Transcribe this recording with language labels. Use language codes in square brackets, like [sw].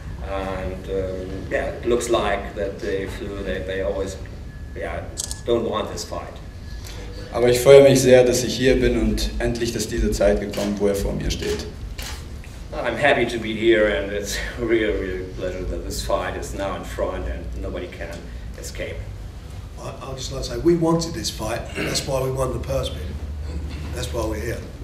[en] And yeah, it looks like that they always don't want this fight. [de] Aber ich freue mich sehr, dass ich hier bin und endlich, dass diese Zeit gekommen, wo er vor mir steht. [en] I'm happy to be here and it's a real, real pleasure that this fight is now in front and nobody can escape. I'll just like to say, we wanted this fight, that's why we won the purse bid. That's why we're here.